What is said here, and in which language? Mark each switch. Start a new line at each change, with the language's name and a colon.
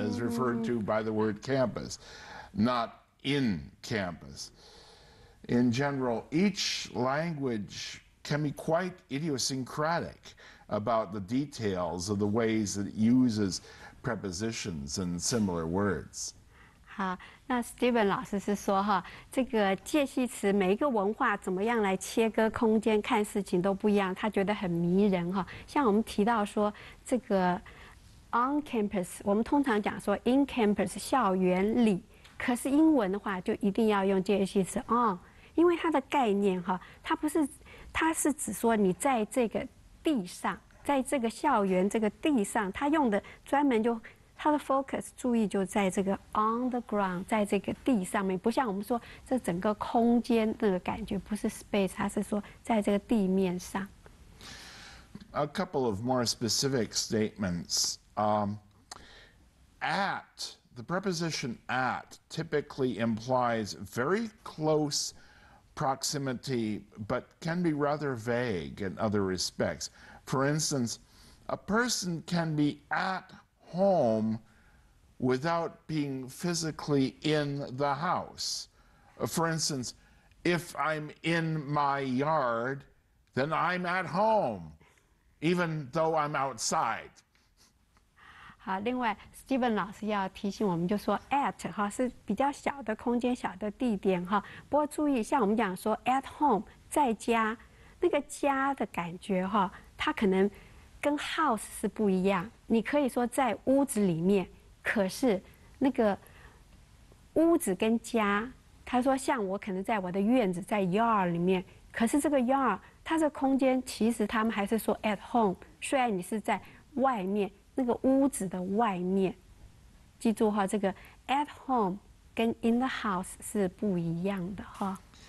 English: as referred to by the word campus, not in campus. In general, each language can be quite idiosyncratic. About the details of the ways that it uses prepositions and similar words.
Chinese: 好，那 Steven 老师是说哈，这个介系词每一个文化怎么样来切割空间看事情都不一样，他觉得很迷人哈。像我们提到说这个 on campus， 我们通常讲说 in campus 校园里，可是英文的话就一定要用介系词 on， 因为它的概念哈，它不是，它是指说你在这个地上，在这个校园这个地上，它用的专门就。它的 focus 注意就在这个
English: on the ground，
Chinese: 在这个地上面，不像我们说这整个空间的感觉，不是 space， 它是说在这个地面上。
English: A couple of more specific statements. At the preposition at typically implies very close proximity, but can be rather vague in other respects. For instance, a person can be at home without being physically in the house. For instance, if I'm in my yard, then I'm at home, even though I'm outside.
Chinese: 好，另外 Steven 老师要提醒我们，就说 at 哈是比较小的空间、小的地点哈。不过注意，像我们讲说 at home 在家，那个家的感觉哈，它可能。跟 house 是不一样，你可以说在屋子里面，可是那个屋子跟家，他说像我可能在我的院子，在 yard 里面，可是这个 yard 它这空间其实他们还是说 at home， 虽然你是在外面那个屋子的外面，记住哈，这个 at home 跟 in the house 是不一样的哈。